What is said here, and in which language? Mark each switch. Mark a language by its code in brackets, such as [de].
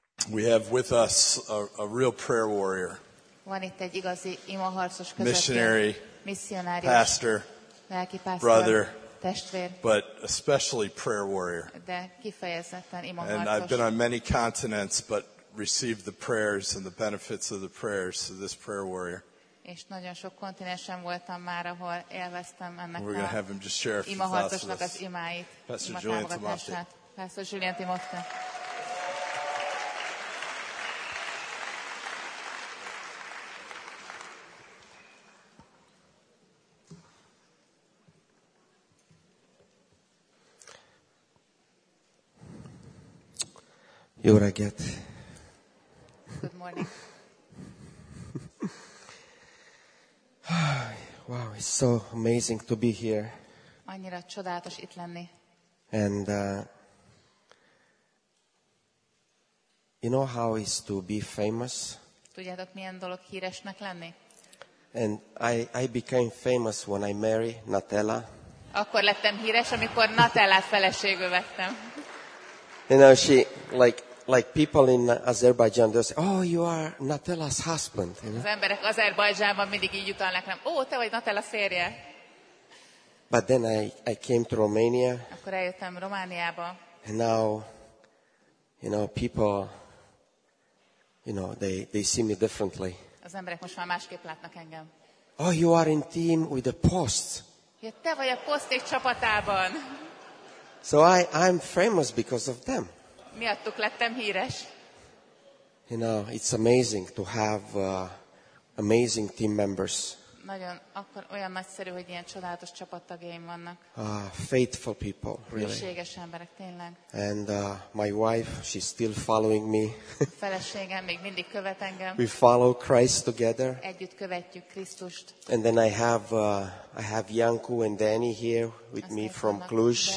[en] We have with us a real prayer warrior. [hu] Van itt egy igazi imaharcos közöttünk. [en] Missionary. [hu] Missionárius. [en] Pastor. [hu] Lelki pásztor. [en] Brother. [hu] Testvér, [en] but especially prayer warrior. [hu] De kifejezetten imaharcos. [en] And I've been on many continents, but received the prayers and the benefits of the prayers of this prayer warrior. [hu] És nagyon sok kontinensen voltam már, ahol élveztem ennek a imaharcosnak az imáit. [en] Pastor Julian Tomofsky. Pastor Julian Timothy. [hu] Jó reggelt! [en] Good morning! Wow, it's so amazing to be here. [hu] Annyira csodálatos itt lenni. [en] And you know how it is to be famous? [hu] Tudjátok, milyen dolog híresnek lenni? [en] And I became famous when I married Natella. [hu] Akkor lettem híres, amikor Natellát feleségül vettem. [en] You know, she, like people in Azerbaijan, they say, oh, you are Natella's husband. You know? [hu] Az emberek Azerbajdzsánban mindig így jutalnak rám, ó, te vagy Natella férje. [en] But then I came to Romania. [hu] Akkor eljöttem Romániába. [en] And now, you know, people, you know, they see me differently. [hu] Az emberek most már másképp látnak engem. [en] Oh, you are in team with the Post. [hu] Ja, te vagy a Post egy csapatában. [en] So I'm famous because of them. [hu] Miattuk lettem híres. [en] You know, it's amazing to have amazing team members. [hu] Nagyon, akkor olyan nagyszerű, hogy ilyen csodálatos csapattagjaim vannak. [en] Faithful people, really. [hu] Hűséges emberek, tényleg. [en] And my wife, she's still following me. [hu] Feleségem még mindig követ engem. [en] We follow Christ together. [hu] Együtt követjük Krisztust. [en] And then I have Janku and Danny here with me from Cluj.